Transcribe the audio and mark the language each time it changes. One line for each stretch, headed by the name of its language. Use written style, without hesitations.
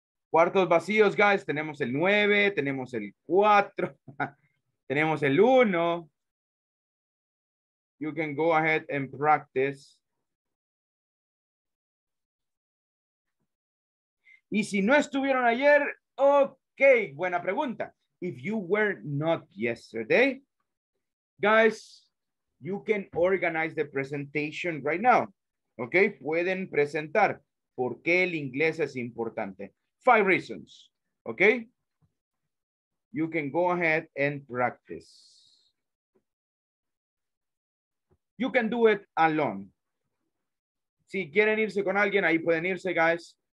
Spanish: Cuartos vacíos, guys. Tenemos el 9, tenemos el 4, tenemos el 1.
English: You can go ahead and practice.
Spanish: Y si no estuvieron ayer, ok, buena pregunta.
English: If you were not yesterday, guys, you can organize the presentation right now.
Spanish: Ok, pueden presentar por qué el inglés es importante.
English: 5 reasons, okay? You can go ahead and practice. You can do it alone.
Spanish: Si quieren irse con alguien, ahí pueden irse, guys.